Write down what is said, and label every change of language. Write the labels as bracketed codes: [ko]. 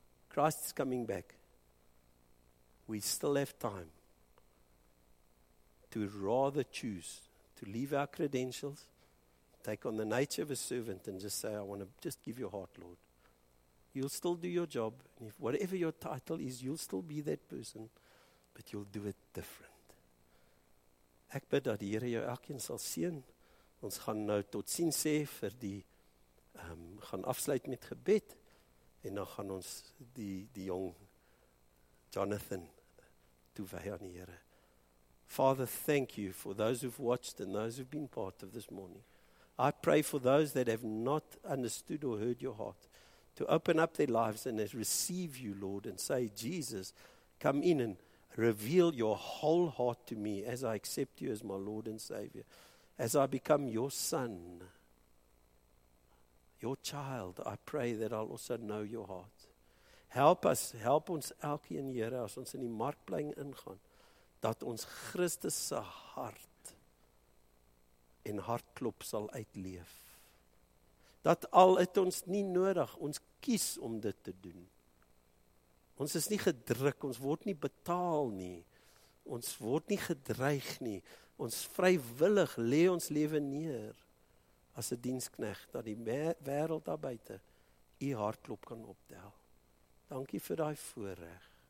[en] Christ is coming back. We still have time to rather choose to leave our credentials, take on the nature of a servant and just say, I want to just give your heart, Lord. You'll still do your job. And if whatever your title is, you'll still be that person, but you'll do it different. [af] Ek bid dat die Here jou elkeen sal seën. Ons gaan nou tot sien sê vir die, gaan afsluit met gebed, en dan gaan ons die jong Jonathan toewy aan die Here. [en] Father, thank you for those who've watched and those who've been part of this morning. I pray for those that have not understood or heard your heart to open up their lives and receive you, Lord, and say, Jesus, come in and reveal your whole heart to me as I accept you as my Lord and Savior, as I become your son, your child. I pray that I'll also know your heart. Help us, [af] help ons elkeen, Here, as ons in die markplein ingaan, dat ons Christus se hart en hartklop sal uitleef. Dat al het ons nie nodig, ons kies om dit te doen. Ons is nie gedruk, ons word nie betaal nie. Ons word nie gedreig nie. Ons vrywillig lê ons lewe neer as 'n dienskneg, dat die wêreld daar buite u hartklop kan optel. Dankie vir daai voorreg.